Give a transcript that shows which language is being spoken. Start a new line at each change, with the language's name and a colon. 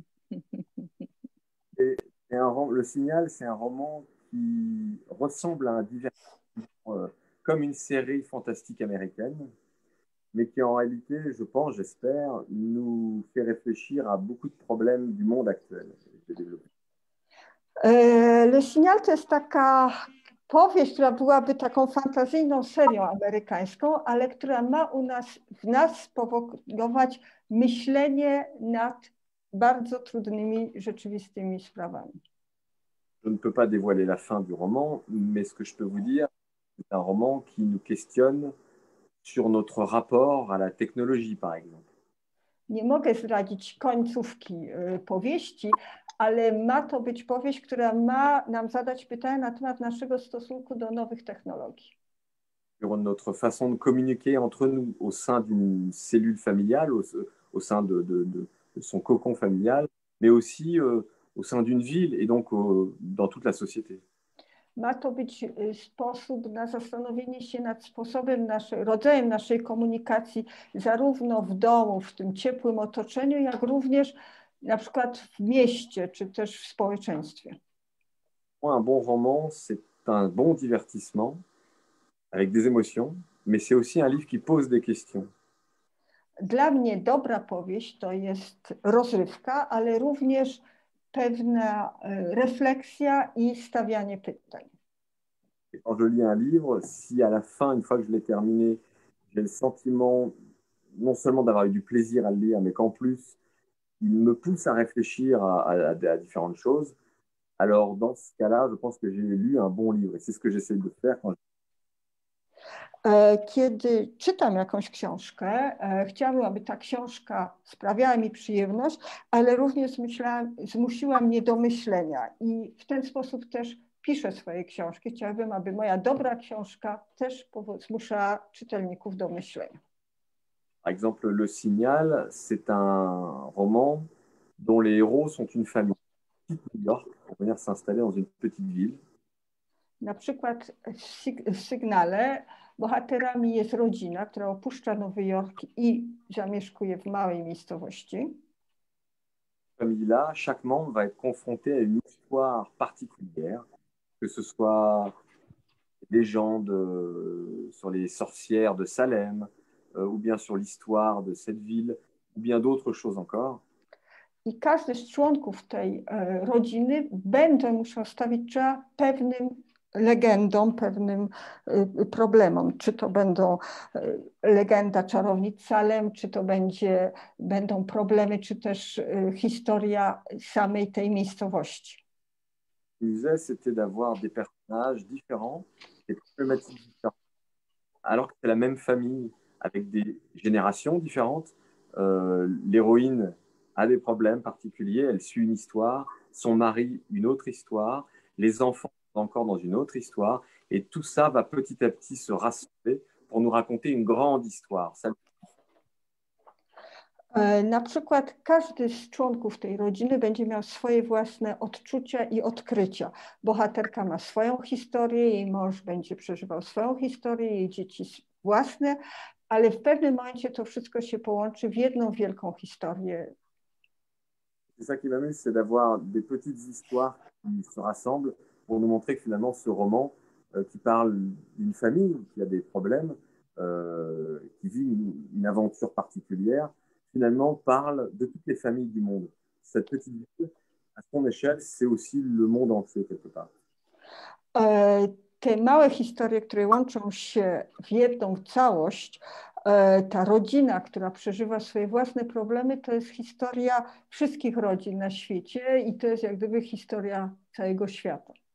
French: Le Signal, c'est un roman qui ressemble à un divertissement. comme une série fantastique américaine, mais qui en réalité, je pense, j'espère, nous fait réfléchir à beaucoup de problèmes du monde actuel. J'ai développé.
Polish: Le Signal to jest taka powieść, która byłaby taką fantazyjną serią amerykańską, ale która ma w nas spowodować myślenie nad bardzo trudnymi, rzeczywistymi sprawami.
French: Je ne peux pas dévoiler la fin du roman, mais ce que je peux vous dire, c'est un roman qui nous questionne sur notre rapport à la technologie, par exemple.
Polish: Nie mogę zdradzić końcówki powieści, ale ma to być powieść, która ma nam zadać pytania na temat naszego stosunku do nowych technologii.
French: Sur notre façon de communiquer entre nous au sein d'une cellule familiale, au sein de son cocon familial, mais aussi au sein d'une ville et donc dans toute la société.
Polish: Ma to być sposób na zastanowienie się nad sposobem rodzajem naszej komunikacji, zarówno w domu, w tym ciepłym otoczeniu, jak również na przykład w mieście, czy też w społeczeństwie.
French: Un bon roman, c'est un bon divertissement avec des émotions, mais c'est aussi un livre qui pose des questions.
Polish: Dla mnie dobra powieść to jest rozrywka, ale również pewna refleksja i stawianie pytań.
French: Et quand je lis un livre, si à la fin, une fois que je l'ai terminé, j'ai le sentiment non seulement d'avoir eu du plaisir à le lire, mais qu'en plus, il me pousse à réfléchir à différentes choses. Alors, dans ce cas-là, je pense que j'ai lu un bon livre et c'est ce que j'essaie de faire quand je...
Polish: Kiedy czytam jakąś książkę, chciałabym, aby ta książka sprawiała mi przyjemność, ale również zmusiła mnie do myślenia i w ten sposób też piszę swoje książki. Chciałabym, aby moja dobra książka też zmuszała czytelników do myślenia.
French: Par exemple, Le Signal, c'est un roman dont les héros sont une famille. New York pour venir s'installer dans une petite ville.
Polish: Na przykład w Sygnale bohaterami jest rodzina, która opuszcza Nowy Jork i zamieszkuje w małej miejscowości.
French: Famille-là, chaque membre va être confronté à une histoire particulière, que ce soit légende sur les sorcières de Salem, ou bien sur l'histoire de cette ville, ou bien d'autres choses encore.
Polish: I każdy z członków tej rodziny będzie musiał stawić czoła pewnym legendom, pewnym problemom. Czy to będą legenda czarownic Salem, czy to będą problemy, czy też historia samej tej miejscowości.
French: C'était d'avoir des personnages différents, des problématiques différentes. Alors que c'est la même famille, avec des générations différentes, l'héroïne a des problèmes particuliers, elle suit une histoire, son mari une autre histoire, les enfants sont encore dans une autre histoire, et tout ça va petit à petit se rassembler pour nous raconter une grande histoire. Ça...
Polish: Na przykład każdy z członków tej rodziny będzie miał swoje własne odczucia i odkrycia. Bohaterka ma swoją historię, jej mąż będzie przeżywał swoją historię, jej dzieci własne, ale w pewnym momencie to wszystko się połączy w jedną wielką historię.
French: C'est ça qui m'amuse, c'est d'avoir des petites histoires qui se rassemblent pour nous montrer que finalement ce roman qui parle d'une famille qui a des problèmes, qui vit une aventure particulière, finalement parle de toutes les familles du monde. Cette petite ville, à son échelle, c'est aussi le monde entier quelque part.
Polish: Te małe historie, które łączą się w jedną całość, ta rodzina, która przeżywa swoje własne problemy, to jest historia wszystkich rodzin na świecie i to jest jak gdyby historia całego świata.